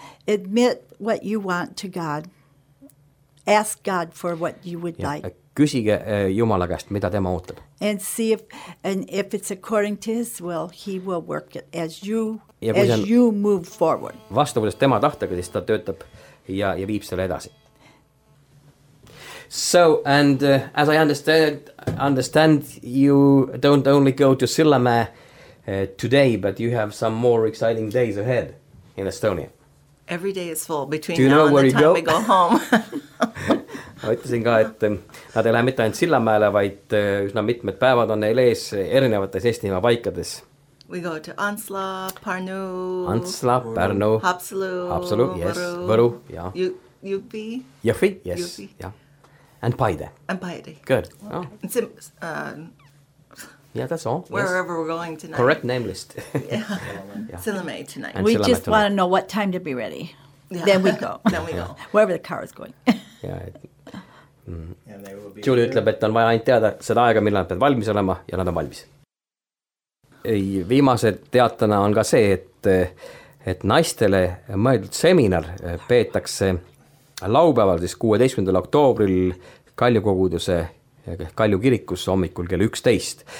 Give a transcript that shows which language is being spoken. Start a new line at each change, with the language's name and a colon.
English: Admit what you want to God Ask God for what you would like.
Estonian: Küsige Jumala käest, mida tema ootab.
English: And see if it's according to his will, he will work it you move forward.
Estonian: Vastavuses tema tahtega, siis ta töötab ja viib selle edasi.
English: So, and as I understand, you don't only go to Sillamäe today, but you have some more exciting days ahead in Estonia. Every day is full between now and the time we go home.
Estonian: Ma ütlesin ka, et nad ei lähe mitte ainult Sillamäele, vaid üsna mitmed päevad on neil ees erinevates Eestimaa paikades.
English: We go to Antsla, Pärnu.
Estonian: Antsla, Pärnu. Haapsalu.
English: Haapsalu, yes. Võru, ja. Jõhvi. Jõhvi, yes. Jõhvi. And Paide. And Paide. Good. Yeah, that's all. Wherever we're going tonight. Correct name list. Yeah. Sillamäe tonight. And we Sillamäe just want to know what time to be ready. Yeah. Then we go. Wherever the car is going. Yeah.
Estonian: Juli ütleb, et on vaja ainult teada seda aega, millal nad peavad valmis olema ja nad on valmis. Viimased teatana on ka see, et naistele mõeldud seminar peetakse laupäeval siis 16. oktoobril Kaljukoguduse Kalju kirikus hommikul kell 11.